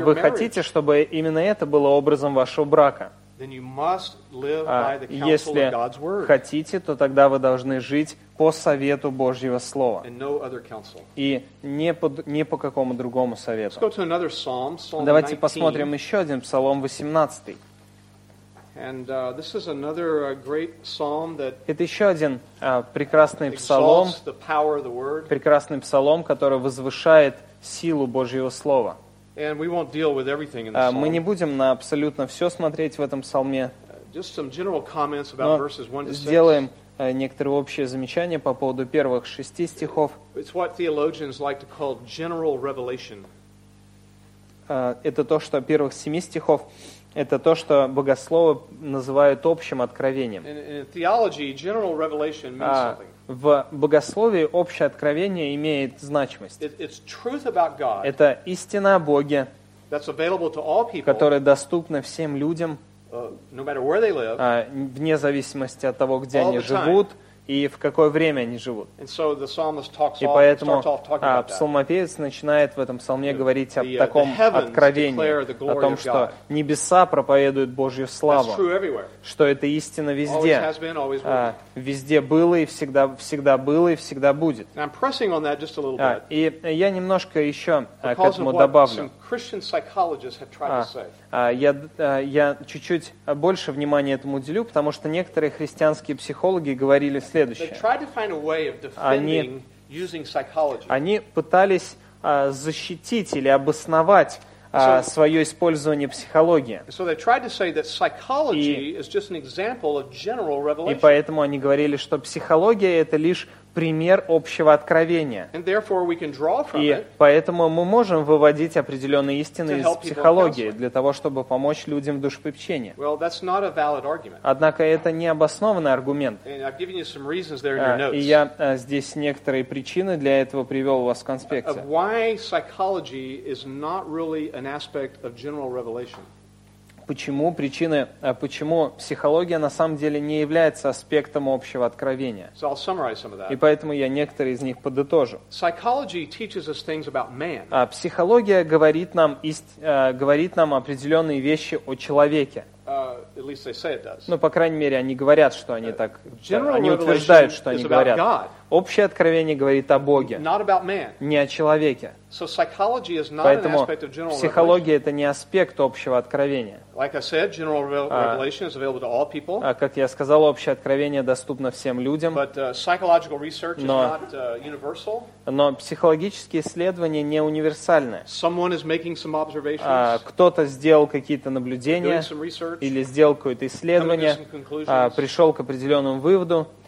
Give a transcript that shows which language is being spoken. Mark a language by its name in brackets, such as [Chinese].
[English] marriage? [Russian] Вы хотите, чтобы именно это было образом вашего брака? [English] Then you must live by the counsel [Russian] если [English] of God's word. [Russian] Хотите, то тогда вы должны жить по совету Божьего Слова. [English] And no other counsel. [Russian] И не по какому другому совету. [English] Let's go to another psalm, Psalm 19. [Russian] Давайте посмотрим еще один, Псалом 18. [English] And this is another great psalm that [Russian] это еще один прекрасный псалом, [English] exalts the power of the word. [Russian] Прекрасный псалом, который возвышает силу Божьего Слова. [English] And we won't deal with everything in this psalm. [Russian] Мы не будем на абсолютно все смотреть в этом псалме. [English] Just some general comments about verses 1 to 6. [Russian] Сделаем некоторые общие замечания по поводу первых шести стихов. [English] It's what theologians like to call general revelation. [Russian] Это то, что первых семи стихов, это то, что богословы называют общим откровением. [English] In theology, general revelation means something. [Russian] В богословии общее откровение имеет значимость. [English] It's truth about God, [Russian] это истина о Боге, [English] that's available to all people, [Russian] которая доступна всем людям, [English] no matter where they live, [Russian] вне зависимости от того, где они живут, и в какое время они живут. [English] And so the psalmist talks [Russian] и [English] off, [Russian] поэтому [English] starts off talking [Russian] псалмопевец [English] that. [Russian] Начинает в этом псалме говорить о таком откровении, о том, что небеса проповедуют Божью славу, что это истина везде, везде было и всегда, всегда было и всегда будет. И я немножко еще к этому добавлю. [English] Christian psychologists have tried to say. [Russian] Я чуть-чуть больше внимания этому уделю, потому что некоторые христианские психологи говорили следующее. [English] They tried to find a way of defending using psychology. [Russian] Они пытались защитить или обосновать свое использование психологии. [English] So they tried to say that psychology is just an example of general revelation. [Russian] И поэтому они говорили, что психология это лишь пример общего откровения. [English] And therefore we can draw from [Russian] и поэтому мы можем выводить определенные истины из психологии для того, чтобы помочь людям в душепопечении. [English] Well, that's not a valid argument. [Russian] Однако это не обоснованный аргумент. [English] And I've given you some reasons there in your notes. [Russian] И я здесь некоторые причины для этого привел у вас в конспекте. [English] Of why psychology is not really an aspect of general revelation. [Russian] Почему причины, почему психология на самом деле не является аспектом общего откровения. [English] So I'll summarize some of that. [Russian] И поэтому я некоторые из них подытожу. [English] Psychology teaches us things about man. [Russian] Психология говорит нам, говорит нам определенные вещи о человеке. [English] At least they say it does. [Russian] Ну, по крайней мере, они говорят, что они так, они утверждают, что они говорят. Общее откровение говорит о Боге, [English] not about man. [Russian] Не о человеке. [English] So psychology is not [Russian] поэтому [English] an aspect of general [Russian] психология [English] revelation. [Russian] Это не аспект общего откровения. [English] Like I said, general revelation is available to all people. [Russian] Как я сказал, общее откровение доступно всем людям. [English] But psychological research is not universal. [Russian] Но психологические исследования не универсальны. [English] Someone is making some observations. [Russian] Кто-то сделал какие-то наблюдения или сделал какое-то исследование, пришел к определенному выводу.